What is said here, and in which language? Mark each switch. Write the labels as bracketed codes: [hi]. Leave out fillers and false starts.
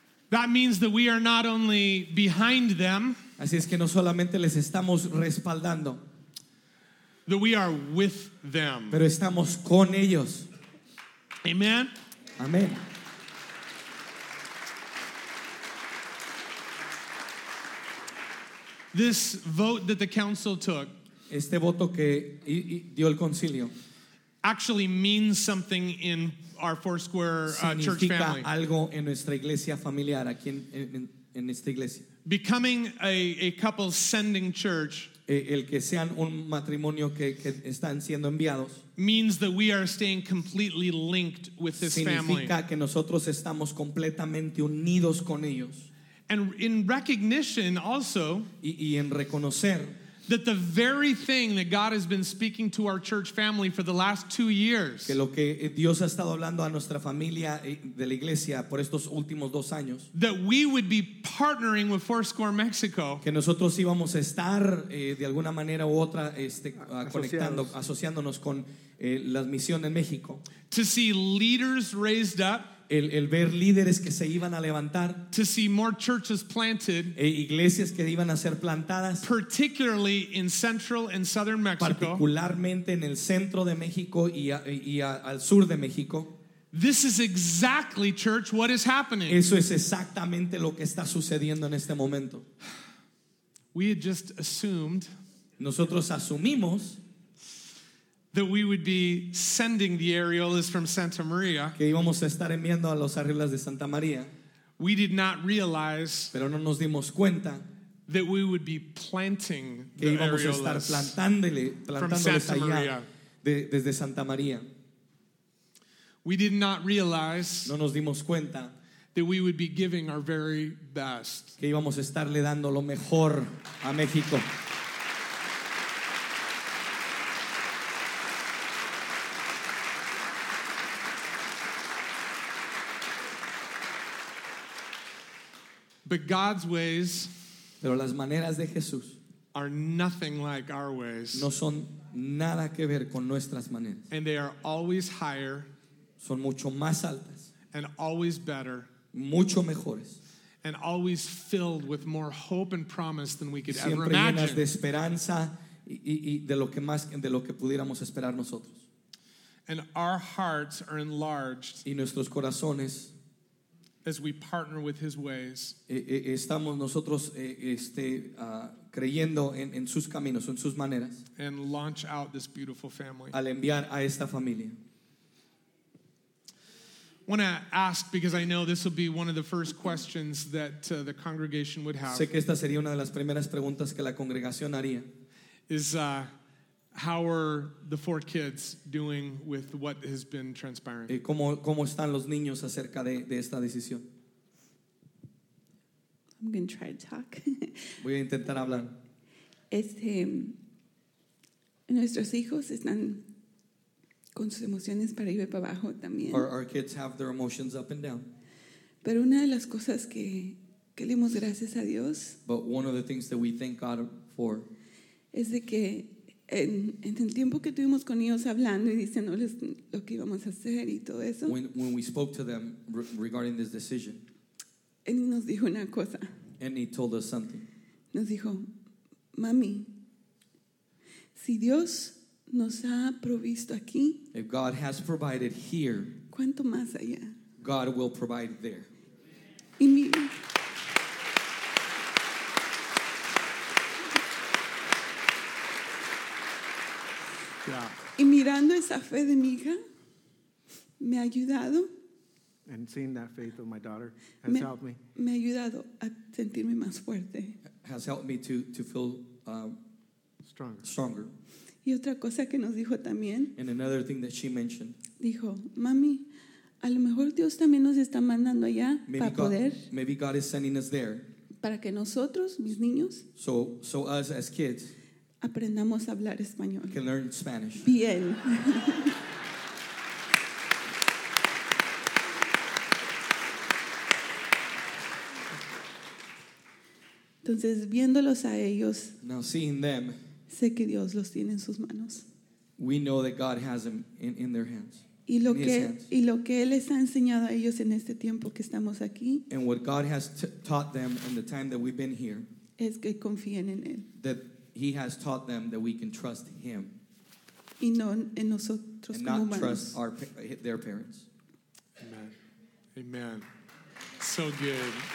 [en] That means that we are not only behind them. [es] Así es que no solamente les estamos respaldando. [en] That we are with them. [es] Pero estamos con ellos. [en] Amen. Amen. This vote that the council took. [es] Este voto que dio el concilio. [en] Actually means something in our Foursquare church family. [es] Significa algo en nuestra iglesia familiar aquí en esta iglesia. [en] Becoming a couple sending church. [es] El que sean un matrimonio que están siendo enviados. [en] Means that we are staying completely linked with this [es] significa [en] family. [es] Significa que nosotros estamos completamente unidos con ellos. [en] And in recognition also. [es] Y en reconocer. [en] That the very thing that God has been speaking to our church family for the last 2 years. [es] Que lo que Dios ha estado hablando a nuestra familia de la iglesia por estos últimos dos años. [en] That we would be partnering with Foursquare Mexico. [es] Que nosotros íbamos a estar de alguna manera u otra conectando, asociándonos con las misiones en México. [en] To see leaders raised up. [es] El ver líderes que se iban a levantar, [en] to see more churches planted, [es] e iglesias que iban a ser plantadas, [en] particularly in central and southern Mexico, [es] particularmente en el centro de México y al sur de México. [en] This is exactly, church, what is happening. [es] Eso es exactamente lo que está sucediendo en este momento. [en] We had just assumed. [es] Nosotros asumimos. [en] That we would be sending the areolas from Santa Maria. [es] Que íbamos a estar enviando a los areolas de Santa María. [en] We did not realize. [es] Pero no nos dimos cuenta. [en] That we would be planting [es] que íbamos areolas a estar plantándoles [en] from Santa Maria. [es] Desde Santa María. [en] We did not realize. [es] No nos dimos cuenta. [en] That we would be giving our very best. [es] Que íbamos a estarle dando lo mejor a México. [en] But God's ways, [es] pero las maneras de Jesús, [en] are nothing like our ways. [es] No son nada que ver con nuestras maneras. [en] And they are always higher, [es] son mucho más altas, [en] and always better, [es] mucho mejores, [en] and always filled with more hope and promise than we could ever imagine. [es] Siempre llenas de esperanza y de lo que pudiéramos esperar nosotros. [en] And our hearts are enlarged. [es] Y nuestros corazones. [en] As we partner with His ways, [es] estamos nosotros creyendo en sus caminos, en sus maneras, [en] and launch out this beautiful family. [es] Al enviar a esta familia. [en] I want to ask because I know this will be one of the first questions that the congregation would have. [es] Sé que esta sería una de las primeras preguntas que la congregación haría. [en] Is how are the four kids doing with what has been transpiring? [es] ¿Cómo están los niños acerca de esta decisión? [en] I'm going to try to talk. Voy a intentar hablar. [es] Nuestros hijos están con sus emociones para arriba y para abajo también. [en] Our kids have their emotions up and down. [es] Pero una de las cosas que le dimos gracias a Dios. [en] But one of the things that we thank God for. [es] Es de que en el tiempo que tuvimos con ellos hablando y diciéndoles lo que íbamos a hacer y todo eso. [en] When we spoke to them regarding this decision. [es] Él nos dijo una cosa. [en] And he told us something. [es] Nos dijo, mami, si Dios nos ha provisto aquí. [en] If God has provided here. [es] ¿Cuánto más allá? [en] God will provide there. [es] Y mi [en] Yeah. [es] Y mirando esa fe de mi hija, me ha ayudado. [en] And seeing that faith of my daughter has helped me. [es] Me ha ayudado a sentirme más fuerte. [en] Has helped me to feel stronger. [es] Y otra cosa que nos dijo también. [en] And another thing that she mentioned. [es] Dijo, mami, a lo mejor Dios también nos está mandando allá para poder. [en] Maybe God is sending us there. [es] Para que nosotros, mis niños, [en] so us as kids, [es] aprendamos a hablar español. [en] Can learn Spanish. [es] Bien. Entonces, viéndolos a ellos, [en] now seeing them, [es] sé que Dios los tiene en sus manos. [en] We know that God has them in their hands. [es] Y lo que él les ha enseñado a ellos en este tiempo que estamos aquí, [en] and what God has taught them in the time that we've been here, [es] es que confíen en él. [en] That he has taught them that we can trust him. [es] Y no en nosotros [en] and [es] como [en] not Trust our their parents. Amen. Amen. So good.